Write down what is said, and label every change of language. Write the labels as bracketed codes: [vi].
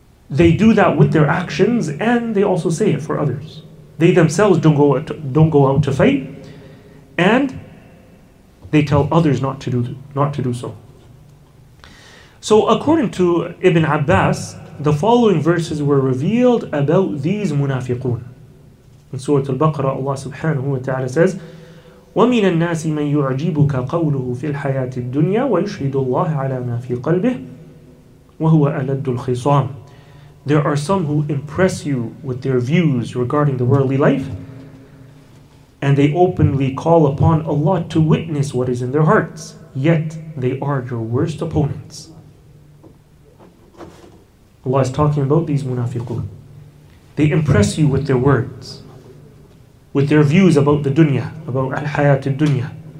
[en] They do that with their actions, and they also say it for others. They themselves don't go out to fight, and they tell others not to do so. So according to Ibn Abbas, the following verses were revealed about these munafiqun. In Surah Al-Baqarah, Allah subhanahu wa ta'ala says, [ar] وَمِنَ النَّاسِ مَنْ يُعْجِبُكَ قَوْلُهُ فِي الْحَيَاةِ الدُّنْيَا وَيُشْهِدُ اللَّهِ عَلَى مَا فِي قَلْبِهِ وَهُوَ أَلَدُّ الْخِصَامِ. [en] There are some who impress you with their views regarding the worldly life, and they openly call upon Allah to witness what is in their hearts, yet they are your worst opponents. Allah is talking about these munafiqun. They impress you with their words, with their views about the dunya, about al-hayat al-dunya.